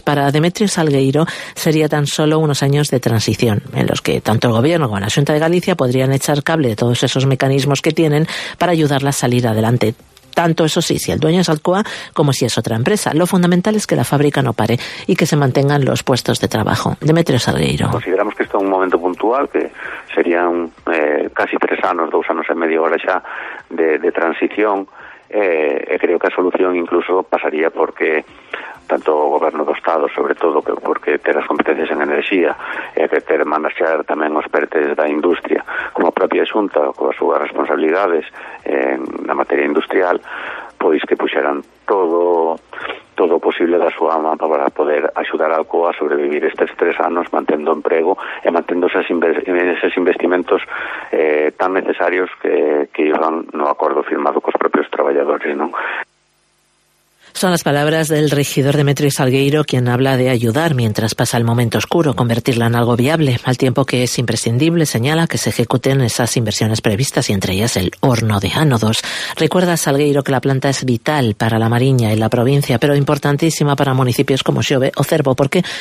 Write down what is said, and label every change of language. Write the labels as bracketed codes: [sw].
[es] Para Demetrio Salgueiro sería tan solo unos años de transición, en los que tanto el gobierno como la Xunta de Galicia podrían echar cable de todos esos mecanismos que tienen para ayudarla a salir adelante. Tanto, eso sí, si el dueño es Alcoa como si es otra empresa. Lo fundamental es que la fábrica no pare y que se mantengan los puestos de trabajo. Demetrio Salgueiro. Consideramos que esto es un momento puntual, que serían casi 3 años, 2 años y medio ahora ya de transición. Creo que la solución incluso pasaría porque [gl] tanto o goberno do Estado, sobre todo, porque ter as competencias en enerxía e que ter manaxear tamén os pertes da industria, como a propia Xunta, coas súas responsabilidades na materia industrial, pois que puxeran todo o posible da súa man para poder axudar a Alcoa a sobrevivir estes 3 anos mantendo emprego e mantendo eses investimentos tan necesarios que iban no acordo firmado cos propios traballadores, non? [es] Son las palabras del regidor Demetrio Salgueiro, quien habla de ayudar mientras pasa el momento oscuro, convertirla en algo viable, al tiempo que es imprescindible, señala, que se ejecuten esas inversiones previstas y entre ellas el horno de ánodos. Recuerda Salgueiro que la planta es vital para la Mariña y la provincia, pero importantísima para municipios como Xove o Cervo. ¿Por qué?